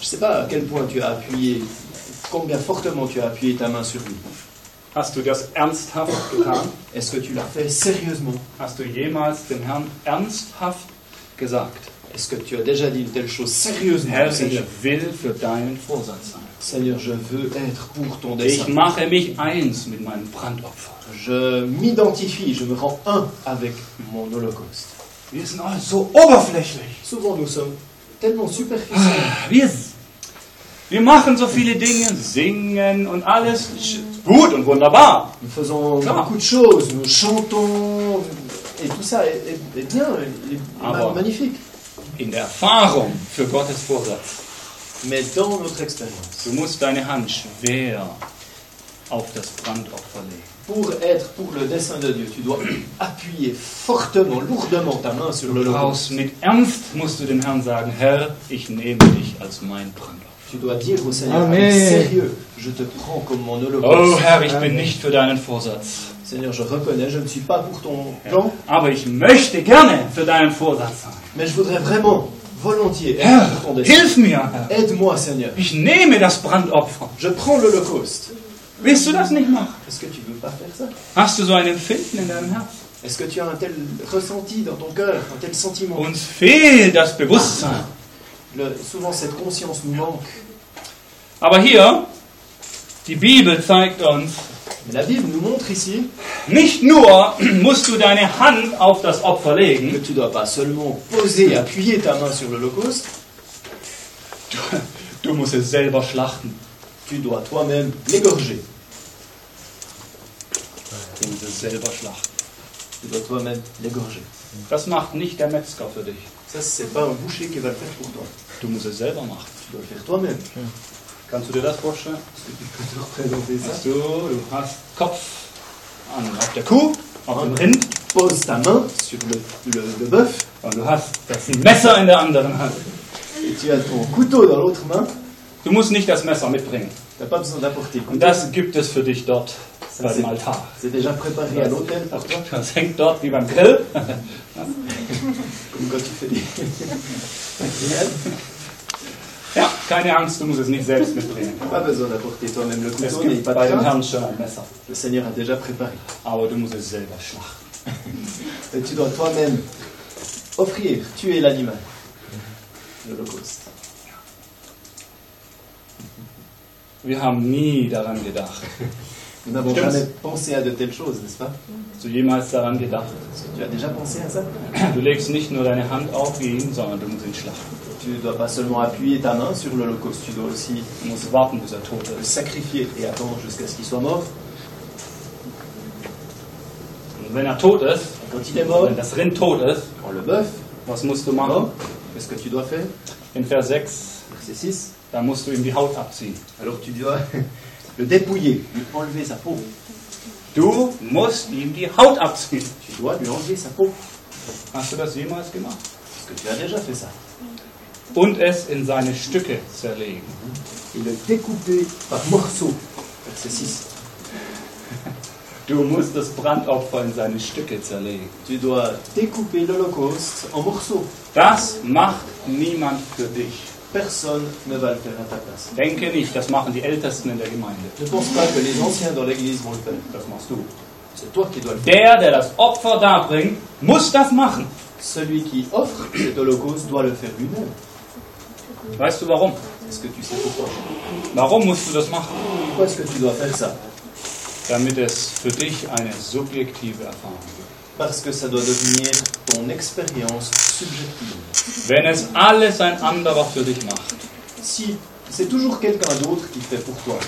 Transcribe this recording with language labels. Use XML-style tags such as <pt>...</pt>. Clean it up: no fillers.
<fr>Je sais pas à quel point tu as appuyé, combien fortement tu as appuyé ta main sur lui.</fr> <de>Hast du das ernsthaft getan?</de> <fr>Est-ce que tu l'as fait sérieusement?</fr> <de>Hast du jemals dem Herrn ernsthaft gesagt?</de> <fr>Est-ce que tu as déjà dit une telle chose sérieusement?</fr> <de>Herr, je will für deinen Vorsatz sein.</de> <fr>Seigneur, je veux être pour ton dessein.</fr> <de>Ich mache mich eins mit meinem Brandopfer.</de> <fr>Je m'identifie, je me rends un avec mon holocauste.</fr> <de>Wir sind alle so oberflächlich.</de> <fr>Souvent nous sommes tellement superficiels.</fr> <de>Wir machen so viele Dinge, singen und alles. Gut und wunderbar.</de> <fr>Nous faisons beaucoup de choses, nous chantons. Et tout ça est bien, est magnifique.</fr> <de>In der Erfahrung für Gottes Vorsatz.</de> <fr>Mais dans notre expérience.</fr> <de>Du musst deine Hand schwer auf das Brandopfer legen.</de> <fr>Pour être pour le dessein de Dieu, tu dois appuyer fortement, lourdement ta main sur le Holocauste.</fr> <de>Mit ernst musst du dem Herrn sagen, Herr, ich nehme dich als mein Brandopfer.</de> <fr>Tu dois dire au Seigneur, avec sérieux, je te prends comme mon Holocauste.</fr> <de>Oh Herr, ich bin nicht für deinen Vorsatz.</de> <fr>Seigneur, je reconnais, je ne suis pas pour ton plan.</fr> <de>Aber ich möchte gerne für deinen Vorsatz sein.</de> <fr>Mais je voudrais vraiment, volontiers,</fr> <de>Herr,</de> <fr>être pour ton dessein.</fr> <de>Hilf mir, Herr.</de> <fr>Aide-moi, Seigneur.</fr> <de>Ich nehme das Brandopfer.</de> <fr>Je prends le Holocauste.</fr> <de>Willst du das nicht machen?</de> <fr>Est-ce que tu veux pas faire ça?</fr> <de>Hast du so ein Empfinden in deinem Herz?</de> <fr>Est-ce que tu as un tel ressenti dans ton cœur, un tel sentiment?</fr> <de>Uns fehlt das Bewusstsein.</de> <fr>Souvent cette conscience nous manque.</fr> <de>Aber hier, die Bibel zeigt uns,</de> <fr>mais la Bible nous montre ici,</fr> <de>nicht nur musst du deine Hand auf das Opfer legen,</de> <fr>que tu dois pas seulement poser, appuyer ta main sur l'Holocauste,</fr> <de>du musst es selber schlachten.</de> <fr>Tu dois toi-même l'égorger.</fr> <de>Du musst es selber schlachten.</de> <fr>Tu dois toi-même l'égorger.</fr> <de>Das macht nicht der Metzger für dich.</de> <fr>Ça, c'est pas un boucher qui va le faire pour toi.</fr> <de>Du musst es selber machen.</de> <fr>Tu dois le faire toi-même.</fr> <de>Kannst du dir das vorstellen?</de> <fr>Tu peux te représenter ça.</fr> <de>Du hast Kopf auf der Kuh, auf dem Rind.</de> <fr>Pose ta main sur le bœuf.</fr> <de>Und du hast das Messer in der anderen Hand.</de> <fr>Et tu as ton couteau dans l'autre main.</fr> <de>Du musst nicht das Messer mitbringen.</de> <fr>T'as pas besoin d'apporter.</fr> <de>Und das gibt es für dich dort,</de> <fr>ça</fr> <de>beim</de> <fr>c'est,</fr> <de>Altar.</de> <fr>C'est déjà préparé à l'hôtel pour toi.</fr> <de>Das hängt dort wie beim Grill.</de> <fr>Comme quand tu fais des grillades.</fr> <de>Ja, keine Angst, du musst es nicht selbst mitbringen.</de> <fr>Pas besoin d'apporter toi-même le couteau.</fr> <de>Es gibt bei dem Herrn schon ein Messer.</de> <fr>Le Seigneur a déjà préparé.</fr> <de>Aber du musst es selber schlachten.</de> <fr>Et tu dois toi-même offrir, tuer l'animal. L'Holocauste.</fr> <de>Wir haben nie daran gedacht.</de> <fr>Nous n'avons jamais pensé à de telles choses, n'est-ce pas?</fr> <de>Hast du jemals daran gedacht?</de> <fr>Tu as déjà pensé à ça?</fr> <de>Du legst nicht nur deine Hand auf ihn, sondern du musst ihn schlachten.</de> <fr>Tu ne dois pas seulement appuyer ta main sur l'Holocauste, tu dois aussi</fr> <de>warten, bis er tot ist.</de> <fr>Le sacrifier et attendre jusqu'à ce qu'il soit mort.</fr> <de>Und wenn er tot ist,</de> <fr>quand il est mort,</fr> <de>wenn das Rind tot ist,</de> <fr>quand le bœuf,</fr> <de>was musst du machen?</de> <fr>Qu'est-ce que tu dois faire?</fr> <de>In Vers 6,</de> <fr>Verset 6,</fr> <de>da musst du ihm die Haut abziehen.</de> <fr>Alors tu dois le dépouiller, lui enlever sa peau.</fr> <de>Du musst ihm die Haut abziehen.</de> <fr>Tu dois lui enlever sa peau.</fr> <de>Hast du das jemals gemacht?</de> <fr>Est-ce que tu as déjà fait ça?</fr> <de>Und es in seine Stücke zerlegen.</de> <fr>Et le découper par morceaux. Verset 6.</fr> <de>Du musst das Brandopfer in seine Stücke zerlegen.</de> <fr>Tu dois découper l'Holocauste en morceaux.</fr> <de>Das macht niemand für dich.</de> <fr>Personne ne va le faire à ta place.</fr> <de>Denke nicht, das machen die Ältesten in der Gemeinde.</de> <fr>Ne pense pas que les anciens dans l'église vont le faire.</fr> <de>Das machst du.</de> <fr>C'est toi qui dois le faire.</fr> <de>Der, der das Opfer darbringt, muss das machen.</de> <fr>Celui qui offre cet Holocauste doit le faire lui-même.</fr> <de>Weißt du warum?</de> <fr>Est-ce que tu sais pourquoi?</fr> <de>Warum musst du das machen?</de> <fr>Pourquoi est-ce que tu dois faire ça?</fr> <de>Damit es für dich eine subjektive Erfahrung wird.</de> <fr>Parce que ça doit devenir ton expérience subjective.</fr> <de>Wenn es alles ein anderer für dich macht.</de> <fr>Si, c'est toujours quelqu'un d'autre qui fait pour toi.</fr>